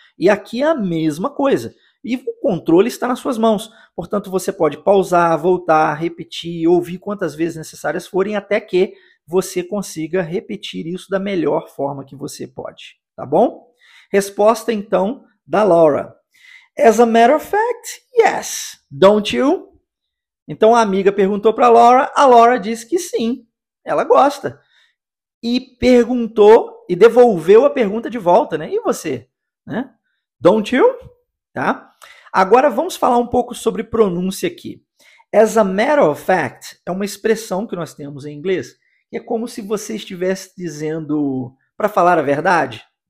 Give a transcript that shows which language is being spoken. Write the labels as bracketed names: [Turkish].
[Portuguese] E aqui é a mesma coisa. E o controle está nas suas mãos. Portanto, você pode pausar, voltar, repetir, ouvir quantas vezes necessárias forem até que você consiga repetir isso da melhor forma que você pode. Tá bom? Resposta então da Laura. [English] As a matter of fact, yes, don't you? [Portuguese] Então a amiga perguntou para Laura, a Laura disse que sim, ela gosta. E perguntou e devolveu a pergunta de volta, né? E você, né? [English] Don't you? [Portuguese] Tá? Agora vamos falar um pouco sobre pronúncia aqui. [English] As a matter of fact [Portuguese] é uma expressão que nós temos em inglês, que é como se você estivesse dizendo para falar a verdade.